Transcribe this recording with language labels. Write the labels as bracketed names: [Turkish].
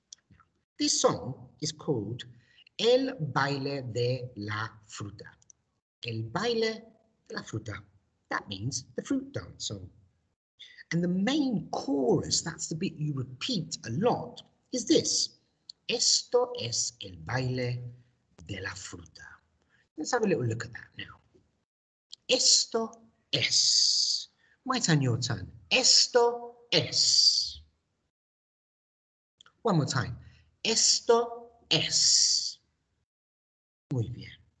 [English] Now, this song is called El Baile de la Fruta. El Baile de la Fruta. That means the fruit dance song. And the main chorus, that's the bit you repeat a lot, is this. [Spanish] Esto es el baile de la fruta. [English] Let's have a little look at that now. [Spanish] Esto es. [English] My turn, your turn. [Spanish] Esto es. [English] One more time. [Spanish] Esto es. Muy bien.